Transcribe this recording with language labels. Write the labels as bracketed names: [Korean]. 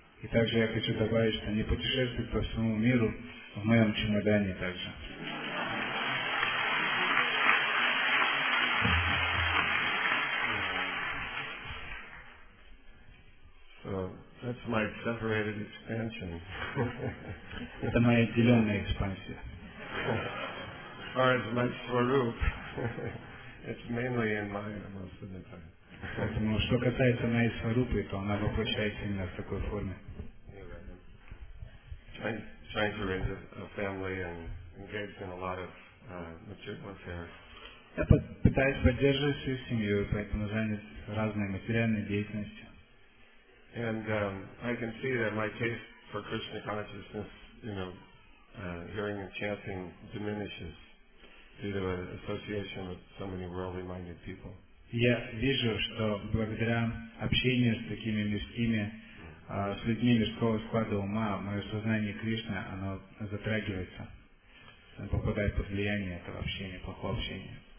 [Russian] Также я хочу добавить, что они путешествуют по всему миру в моем чемодане также. [English] So, that's my separated expansion. [Russian] Это моя отделенная экспансия. [English] As far as my swarup, it's mainly in Maya most of the time. [Russian] Поэтому, что касается моей сварупы, то она воплощается именно в такой форме. [English] Trying to raise a family and engaged in a lot of material affairs. [Russian] Я пытаюсь поддерживать свою семью, поэтому занят разной материальной деятельностью. [English] And I can see that my taste for Krishna consciousness, you know, hearing and chanting diminishes due to an association with so many worldly-minded people. [Russian] Я вижу, что благодаря общению с такими людьми, с людьми мирского склада ума, мое сознание Кришны, оно затрагивается, оно попадает под влияние этого общения, плохого общения.